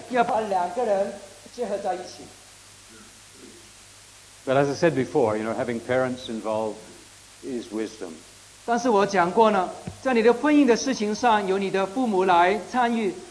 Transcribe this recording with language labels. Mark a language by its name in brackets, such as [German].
[Chinese] 因为我不知道我有这么重大的责任，要把两个人结合在一起。 [English] But as I said before, you know, having parents involved is wisdom. [Chinese] 但是我讲过呢，在你的婚姻的事情上，有你的父母来参与。